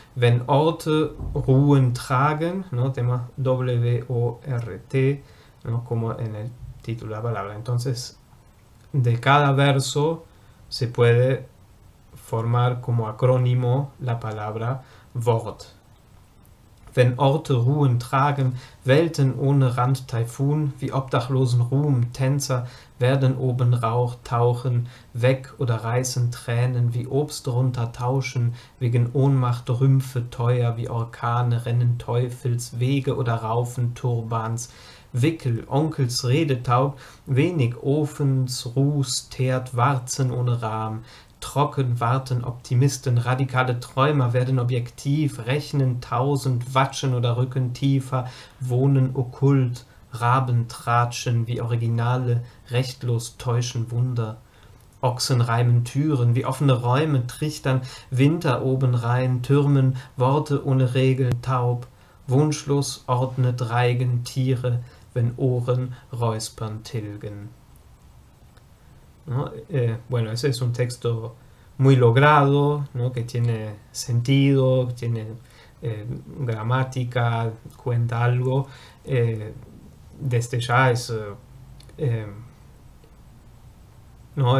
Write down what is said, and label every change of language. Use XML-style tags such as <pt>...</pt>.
<de>Wenn Orte Ruhen tragen, ¿no? Tema Wort, ¿no?</de> <es>Como en el título de la palabra. Entonces, de cada verso se puede formar como acrónimo la palabra Wort.</es> <de>Wenn Orte Ruhen tragen, Welten ohne Rand Taifun, wie obdachlosen Ruhm, Tänzer werden oben Rauch tauchen, weg oder reißen Tränen, wie Obst runter tauschen, wegen Ohnmacht Rümpfe teuer, wie Orkane rennen Teufels, Wege oder Raufen Turbans, Wickel, Onkels Rede taub, wenig Ofens, Ruß, Teert, Warzen ohne Rahm, warten Optimisten, radikale Träumer werden objektiv, rechnen tausend, watschen oder rücken tiefer, wohnen okkult, Raben tratschen wie Originale, rechtlos täuschen Wunder. Ochsen reimen Türen wie offene Räume, trichtern Winter oben rein, türmen Worte ohne Regeln, taub, wunschlos ordnet Reigen Tiere, wenn Ohren räuspern tilgen.</de> <es>¿No? Bueno, ese es un texto muy logrado, ¿no? Que tiene sentido, tiene gramática, cuenta algo. Desde ya es, ¿no?</es>